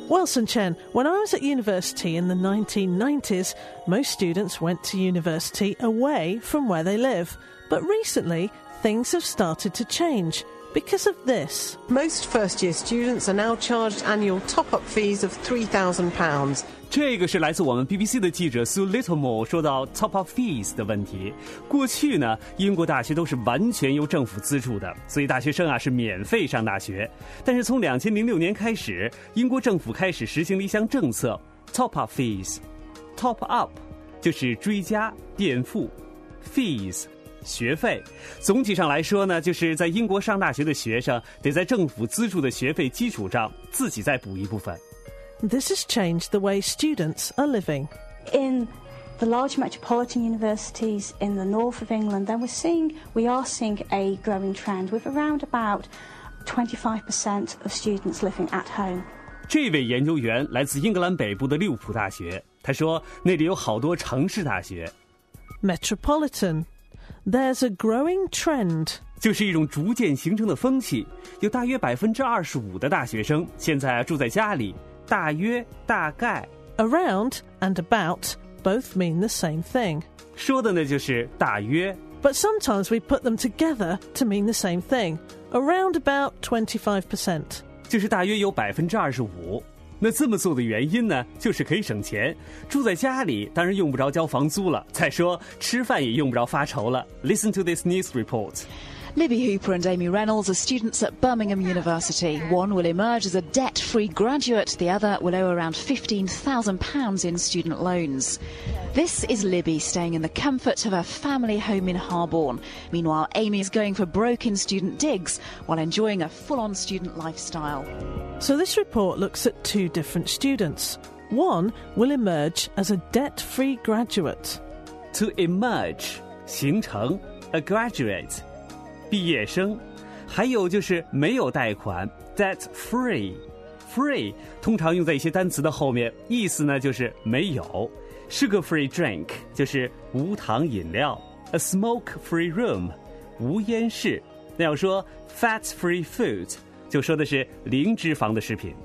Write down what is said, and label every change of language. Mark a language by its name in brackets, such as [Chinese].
[English] Well, Sun Chen, when I was at university in the 1990s, most students went to university away from where they live. But recently, things have started to change because of this. Most first-year students are now charged annual top-up fees of £3,000. [Chinese] 这个是来自我们 BBC 的记者 Sue Littlemore 说到 top-up fees 的问题。过去呢，英国大学都是完全由政府资助的，所以大学生啊是免费上大学。但是从2006年开始，英国政府开始实行了一项政策 top-up fees。 top-up 就是追加、垫付 ，fees 学费。总体上来说呢，就是在英国上大学的学生得在政府资助的学费基础上自己再补一部分。 [English] This has changed the way students are living. In the large metropolitan universities in the north of England, then we are seeing a growing trend with around about 25% of students living at home. [Chinese] 这位研究员来自英格兰北部的利物浦大学，他说那里有好多城市大学。 [English] Metropolitan. There's a growing trend. [Chinese] 就是一种逐渐形成的风气，有大约25%的大学生现在住在家里。大约、大概。 [English] Around and about both mean the same thing. [Chinese] 说的呢就是大约。 [English] But sometimes we put them together to mean the same thing. Around about 25%. [Chinese] 就是大约有25%。那这么做的原因呢，就是可以省钱。住在家里当然用不着交房租了。再说吃饭也用不着发愁了。 [English] Listen to this news report. Libby Hooper and Amy Reynolds are students at Birmingham University. One will emerge as a debt-free graduate, the other will owe around £15,000 in student loans. This is Libby staying in the comfort of her family home in Harborne. Meanwhile, Amy is going for broken student digs while enjoying a full-on student lifestyle. So this report looks at two different students. One will emerge as a debt-free graduate. To emerge, [Chinese] 形成, [English] a graduate, [Chinese] 毕业生, 还有就是没有贷款, debt-free. Free 通常用在一些单词的后面, 意思呢就是没有, 是个free drink, 就是无糖饮料, [English] a smoke-free room, [Chinese] 无烟室, 那要说 fat-free food, 就说的是零脂肪的食品.